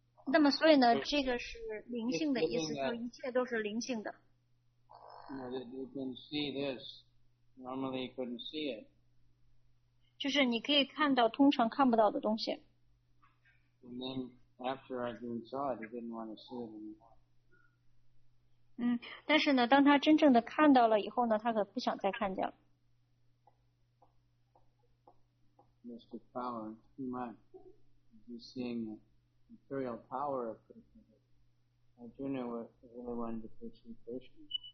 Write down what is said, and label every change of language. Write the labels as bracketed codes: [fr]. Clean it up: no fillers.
[zh] 那么所以呢，这个是灵性的意思，就一切都是灵性的。 [en] You can see this. Normally you couldn't see it. [zh] 就是你可以看到通常看不到的东西。 [en] And then after I even saw it, I didn't want to see it anymore. [zh] 但是呢，当他真正的看到了以后呢，他可不想再看见了。 [en] Mr. Power, too much. You're seeing the material power of Krishna. Arjuna really wanted to pursue Krishna.